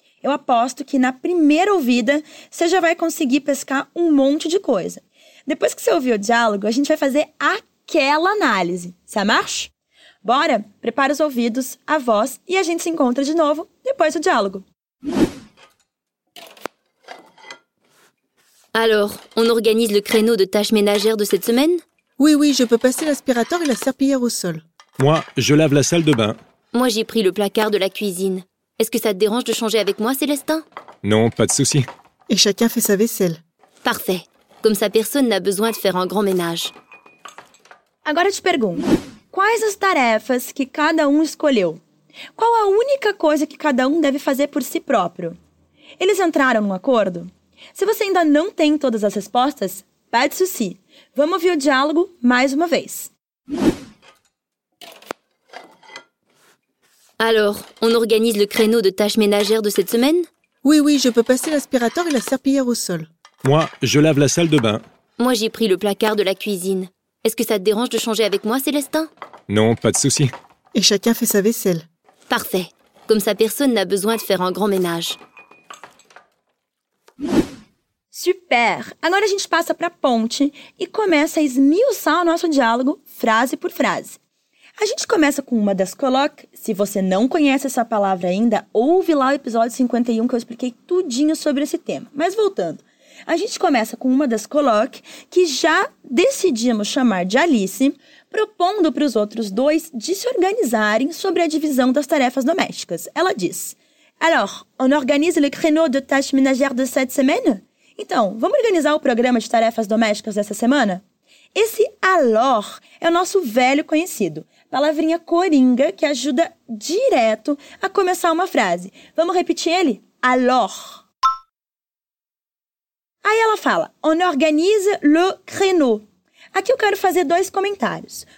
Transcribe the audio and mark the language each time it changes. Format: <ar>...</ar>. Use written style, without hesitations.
<pt>Eu aposto que na primeira ouvida, você já vai conseguir pescar um monte de coisa. Depois que você ouvir o diálogo, a gente vai fazer aquela análise.</pt> <fr>Ça marche?</fr> <pt>Bora, prepara os ouvidos, a voz e a gente se encontra de novo depois do diálogo.</pt> <fr>Alors, on organise le créneau de tâches ménagères de cette semaine? Oui, oui, je peux passer l'aspirateur et la serpillière au sol. Moi, je lave la salle de bain. Moi, j'ai pris le placard de la cuisine. Est-ce que ça te dérange de changer avec moi, Célestin? Non, pas de souci. Et chacun fait sa vaisselle. Parfait. Comme ça, personne n'a besoin de faire un grand ménage.</fr> <pt>Agora te pergunto, quais as tarefas que cada escolheu? Qual a única coisa que cada deve fazer por si próprio? Eles entraram num acordo? Se você ainda não tem todas as respostas,</pt> <fr>pas de souci.</fr> <pt>Vamos ouvir o diálogo mais uma vez.</pt> <fr>Alors, on organise le créneau de tâches ménagères de cette semaine? Oui, oui, je peux passer l'aspirateur et la serpillière au sol. Moi, je lave la salle de bain. Moi, j'ai pris le placard de la cuisine. Est-ce que ça te dérange de changer avec moi, Célestin? Non, pas de souci. Et chacun fait sa vaisselle. Parfait. Comme ça, personne n'a besoin de faire un grand ménage. Super!</fr> <pt>Agora a gente passa pra ponte e começa a esmiuçar o nosso diálogo frase por frase. A gente começa com uma das colocs. Se você não conhece essa palavra ainda, ouve lá o episódio 51 que eu expliquei tudinho sobre esse tema. Mas voltando, a gente começa com uma das colocs que já decidimos chamar de Alice, propondo para os outros dois de se organizarem sobre a divisão das tarefas domésticas. Ela diz:</pt> <fr>Alors, on organise le créneau de tâches ménagères de cette semaine?</fr> <pt>Então, vamos organizar o programa de tarefas domésticas dessa semana? Esse alors é o nosso velho conhecido, palavrinha coringa que ajuda direto a começar uma frase. Vamos repetir ele? Alors. Aí ela fala,</pt> <fr>on organise le créneau.</fr> <pt>Aqui eu quero fazer dois comentários.</pt>